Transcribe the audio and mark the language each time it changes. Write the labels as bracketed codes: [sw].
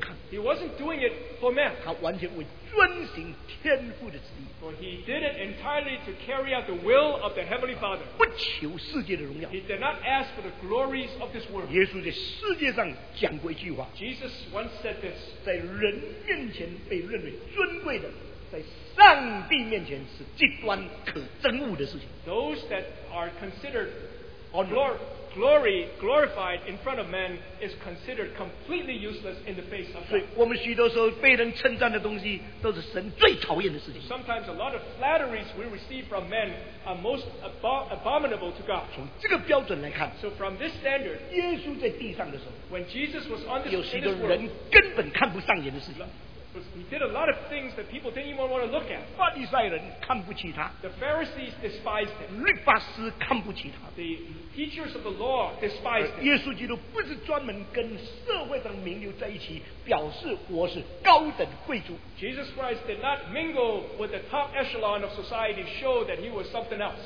[en] He wasn't doing it for man. For he did it entirely to carry out the will of the Heavenly Father. He did not ask for the glories of this world. Jesus once said this, [zh] 在人面前被认为尊贵的, 在上帝面前是极端可憎恶的事情。 [en] Those that are considered glorified in front of men is considered completely useless in the face of God. [zh] 所以我们许多时候被人称赞的东西都是神最讨厌的事情。 [en] Sometimes a lot of flatteries we receive from men are most abominable to God. [zh] 从这个标准来看, [en] so from this standard, [zh] 耶稣在地上的时候, [en] when Jesus was on this [zh] earth, 有许多人根本看不上眼的事情。 [en] He did a lot of things that people didn't even want to look at. [zh] 法利赛人看不起他, [en] the Pharisees despised him. [zh] 律法师看不起他, [en] the teachers of the law despised him. [zh] 耶稣基督不是专门跟社会上名流在一起表示我是高等贵族。 [en] Jesus Christ did not mingle with the top echelon of society to show that he was something else.